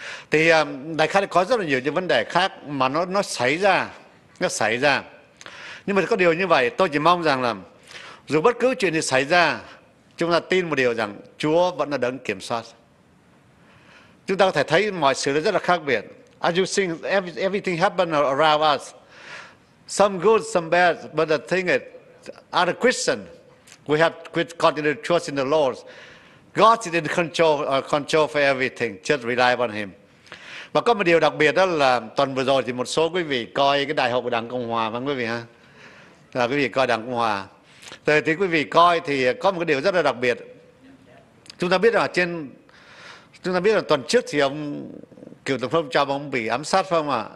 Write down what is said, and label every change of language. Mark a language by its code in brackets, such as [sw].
[vi] Thì đại khái có rất là nhiều những vấn đề khác mà nó xảy ra. Nhưng mà có điều như vậy, tôi chỉ mong rằng là dù bất cứ chuyện gì xảy ra, chúng ta tin một điều rằng Chúa vẫn là đấng kiểm soát. Chúng ta có thể thấy mọi sự rất là khác biệt. [en] As you see, everything happens around us. Some good, some bad. But the thing is, as a Christian, we have to continue to trust in the Lord. God is in control for everything. Just rely on Him. [vi] Và có một điều đặc biệt đó là tuần vừa rồi thì một số quý vị coi cái đại hội của Đảng Cộng Hòa, phải không quý vị ha? Là quý vị coi Đảng Cộng Hòa. Thì quý vị coi thì có một cái điều rất là đặc biệt. Chúng ta biết là tuần trước thì ông cựu tổng thống Trump ông bị ám sát, phải không ạ?